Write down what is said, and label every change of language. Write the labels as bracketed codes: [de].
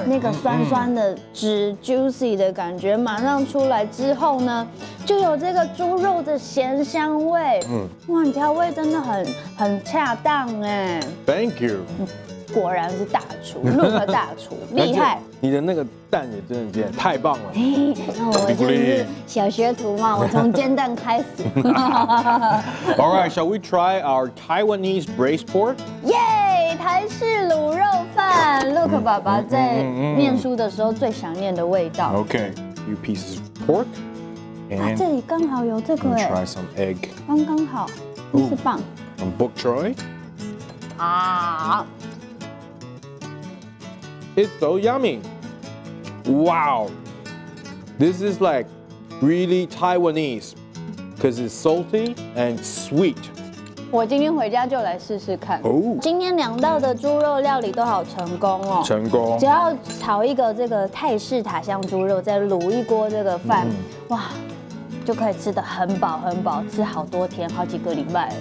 [zh] 那个酸酸的汁 juicy 的感觉马上出来之后呢，就有这个猪肉的咸香味，嗯，哇，你调味真的很恰当哎 [en] ，Thank you。 [zh] 果然是大厨，入了大厨，厉害！你的那个蛋也真的煎太棒了。我就是小学徒嘛，我从煎蛋开始。 [en] All right, shall we try our Taiwanese braised pork? [zh] Yay, 台式卤肉饭 ！Look, 爸爸在念书的时候最想念的味道。 [en] Okay, few pieces of pork. [zh] 啊，这里刚好有这个 [en] 哎。Try some egg. [zh] 刚刚好，真是棒。 [en] Some bok choy. 啊。 It's so yummy. Wow. This is like really Taiwanese because it's salty and sweet. [zh] 我今天回家就来试试看。今天两道的猪肉料理都好成功哦。成功。只要炒一个这个泰式塔香猪肉，再卤一锅这个饭，哇，就可以吃得很饱很饱，吃好多天，好几个礼拜了。